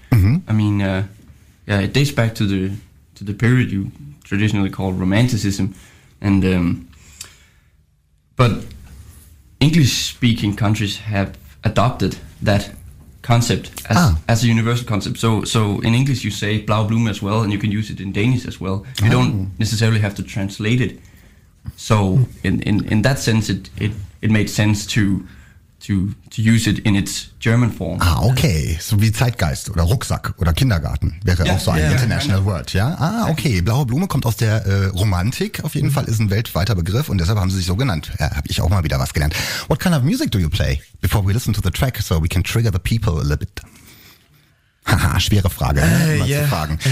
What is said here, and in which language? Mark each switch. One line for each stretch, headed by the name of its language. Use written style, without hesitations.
English: Mm-hmm. I mean, it dates back to the period you traditionally call Romanticism, and but English-speaking countries have adopted that concept as a universal concept. So in English you say Blaue Blume as well, and you can use it in Danish as well. You don't necessarily have to translate it. So in that sense, it made sense to use it in its German form. Ah, okay.
German: So wie Zeitgeist oder Rucksack oder Kindergarten wäre auch so ein
English: international word,
German: ja? Ah, okay. Blaue Blume kommt aus der Romantik. Auf jeden Fall ist ein weltweiter Begriff und deshalb haben sie sich so genannt. Ja, habe ich auch mal wieder was gelernt.
English: What kind of music do you play before we listen to the track so we can trigger the people a little bit?
German: Haha, schwere Frage, zu fragen.